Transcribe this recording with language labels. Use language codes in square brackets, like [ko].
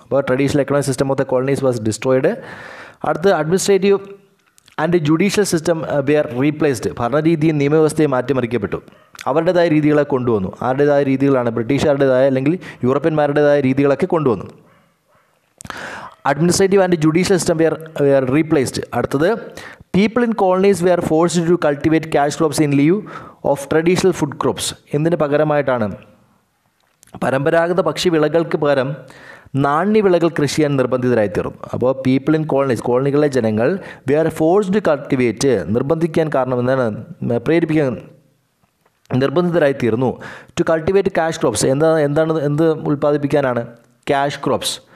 [en] അപ്പോൾ traditional economic system of the colonies was destroyed. അടുത്ത് administrative and judicial system were replaced. [ml] ഭരണരീതിയും നിയമവ്യവസ്ഥയും മാറ്റിമറിക്കപ്പെട്ടു. അവരുടേതായ രീതികളെ കൊണ്ടുവന്നു. ആരുടേതായ രീതികളാണ്? ബ്രിട്ടീഷുകാരുടേതായ അല്ലെങ്കിൽ യൂറോപ്യന്മാരുടേതായ രീതികളൊക്കെ കൊണ്ടുവന്നു. [en] Administrative and judicial system were replaced. അടുത്തത് People in colonies were forced to cultivate cash crops in lieu of traditional food crops. [ml] എന്തിനു പകരമായിട്ടാണ്? പരമ്പരാഗത ഭക്ഷ്യ വിളകൾക്ക് പകരം നാണ്യ വിളകൾ കൃഷി ചെയ്യാൻ നിർബന്ധിതരായിത്തീർന്നു. അപ്പോൾ [en] people in colonies, [ml] കോളനികളിലെ ജനങ്ങൾ [en] we are forced to cultivate, [ml] നിർബന്ധിക്കാൻ കാരണം എന്താണ്? പ്രേരിപ്പിക്കാൻ നിർബന്ധിതരായിത്തീർന്നു. [en] to cultivate cash crops, [ml] എന്താ എന്താണ് എന്ത് ഉൽപ്പാദിപ്പിക്കാനാണ്? Cash crops.